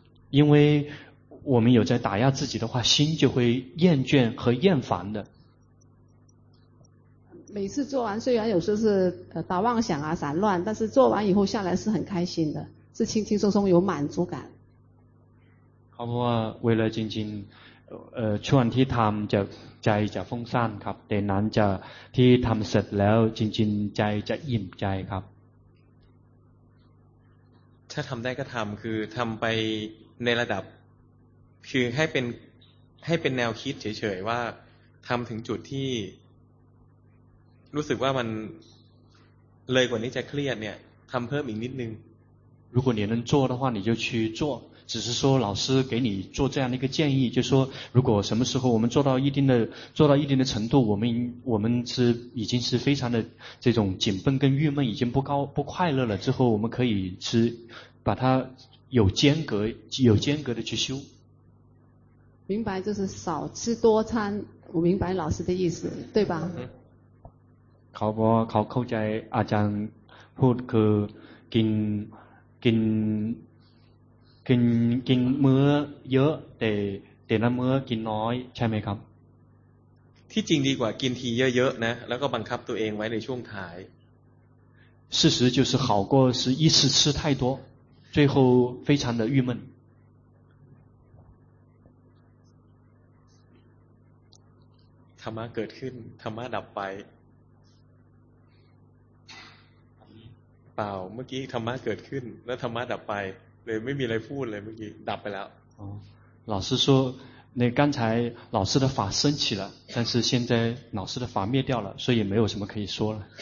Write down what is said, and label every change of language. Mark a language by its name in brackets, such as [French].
[Chinese] 因为我们有在打压自己的话，心就会厌倦和厌烦的。每次做完，虽然有时候是打妄想啊、散乱，但是做完以后下来是很开心的，是轻轻松松有满足感。好不好？为了静静。 [Thai] ช่วงที่ทำจะใจจะฟุ้งซ่านครับแต่นั้นจะที่ทำเสร็จแล้วจริงๆใจจะอิ่มใจครับ ถ้าทำได้ก็ทำคือทำไปในระดับคือให้เป็นแนวคิดเฉยๆว่าทำถึงจุดที่รู้สึกว่ามันเลยกว่านี้จะเครียดเนี่ยทำเพิ่มอีกนิดนึง [Chinese] 如果你能做的话你就去做只是说老师给你做这样的一个建议就是说如果什么时候我们做到一定的程度我们是已经是非常的这种紧绷跟郁闷已经不快乐了之后我们可以是把它有间隔的去修明白就是少吃多餐我明白老师的意思对吧考不考扣在阿江或者 [Thai] กินมื้อเยอะแต่ละมื้อกินน้อยใช่ไหมครับ ที่จริงดีกว่ากินทีเยอะๆนะแล้วก็บังคับตัวเองไว้ในช่วงท้าย [Chinese] 事实就是好过是一次吃太多最后非常的郁闷 [Thai] ธรรมะเกิดขึ้นธรรมะดับไปเปล่าเมื่อกี้ธรรมะเกิดขึ้นแล้วธรรมะดับไปไม่มีอะไรพูดเลยเมื่อกี้ดับไปแล้ว [Chinese] 老师说那刚才老师的法升起了但是现在老师的法灭掉了所以没有什么可以说了